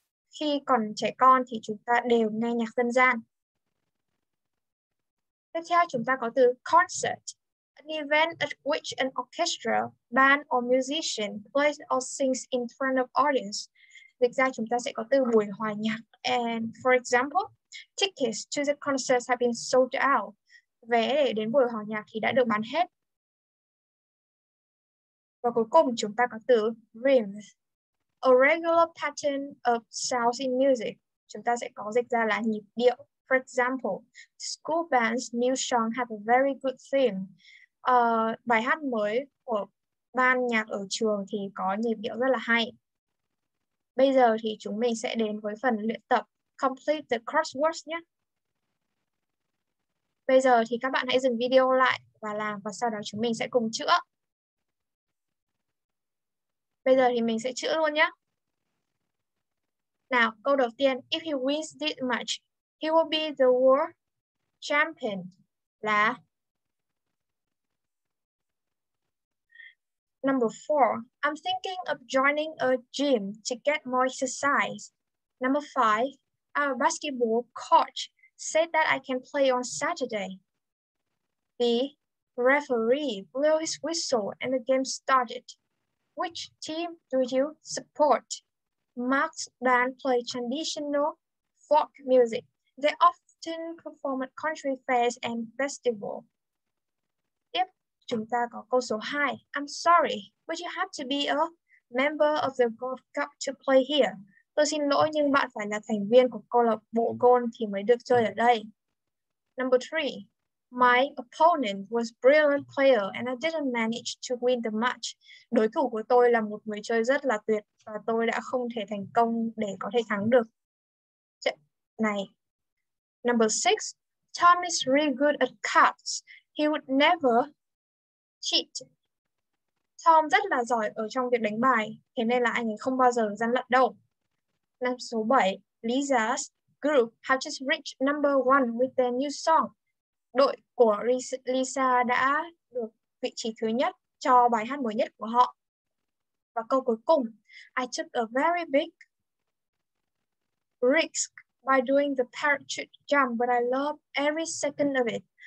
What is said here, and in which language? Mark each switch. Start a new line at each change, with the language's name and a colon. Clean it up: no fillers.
Vietnamese: Khi còn trẻ con thì chúng ta đều nghe nhạc dân gian. Tiếp theo chúng ta có từ concert.
English: An event at which an orchestra, band or musician plays or sings in front of audience.
Vietnamese: Dịch ra chúng ta sẽ có từ buổi hòa nhạc.
English: And for example, tickets to the concert have been sold out.
Vietnamese: Vé để đến buổi hòa nhạc thì đã được bán hết. Và cuối cùng chúng ta có từ dream.
English: A regular pattern of sounds in music.
Vietnamese: Chúng ta sẽ có dịch ra là nhịp điệu.
English: For example, school band's new song have a very good theme.
Vietnamese: Bài hát mới của ban nhạc ở trường thì có nhịp điệu rất là hay. Bây giờ thì chúng mình sẽ đến với phần luyện tập
English: complete the crosswords
Vietnamese: nhé. Bây giờ thì các bạn hãy dừng video lại và làm, và sau đó chúng mình sẽ cùng chữa. Bây giờ thì mình sẽ chữa luôn nhé. Nào, câu đầu tiên.
English: If he wins this match, he will be the world champion. Là number 4. I'm thinking of joining a gym to get more exercise. Number 5. Our basketball coach said that I can play on Saturday. B. Referee blew his whistle and the game started. Which team do you support? Mark's band play traditional folk music. They often perform at country fairs and festivals.
Vietnamese: Tiếp, chúng ta có câu số 2.
English: I'm sorry, but you have to be a member of the golf club to play here.
Vietnamese: Tôi xin lỗi nhưng bạn phải là thành viên của câu lạc bộ golf thì mới được chơi ở đây.
English: Number 3. My opponent was brilliant player and I didn't manage to win the match.
Vietnamese: Đối thủ của tôi là một người chơi rất là tuyệt và tôi đã không thể thành công để có thể thắng được trận này.
English: Number 6. Tom is really good at cards. He would never cheat.
Vietnamese: Tom rất là giỏi ở trong việc đánh bài, thế nên là anh ấy không bao giờ gian lận đâu. Năm số 7,
English: Lisa's group have just reached number one with their new song.
Vietnamese: Đội của Lisa đã được vị trí thứ nhất cho bài hát mới nhất của họ. Và câu cuối cùng,
English: I took a very big risk by doing the parachute jump, but I love every second of it.